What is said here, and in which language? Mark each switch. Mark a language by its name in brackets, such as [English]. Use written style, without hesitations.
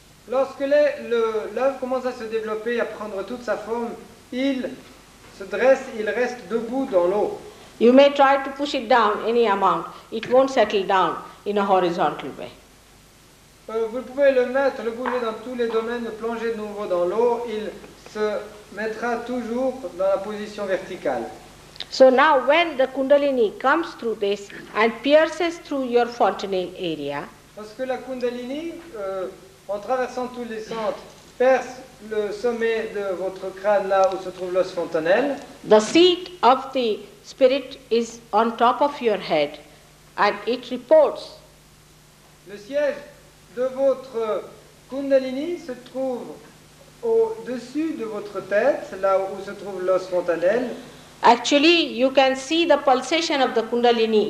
[French] Lorsque l'œuf commence à se développer et à prendre toute sa forme, il se dresse, il reste debout dans l'eau. [English] You may try to push it down any amount, it won't settle down in a horizontal way. [French] Vous pouvez le mettre, le bouger dans tous les domaines, le plonger de nouveau dans l'eau, il se mettra toujours dans la position verticale. [English] So now when the Kundalini comes through this and pierces through your fontanelle area, [French] parce que la Kundalini, en traversant tous les centres, perce le sommet de votre crâne là où se trouve l'os fontanelle, [English] the seat of the Spirit is on top of your head and it reports. [French] Le siège de votre Kundalini se trouve au-dessus de votre tête, là où se trouve l'os fontanelle. [English] Actually, you can see the pulsation of the Kundalini.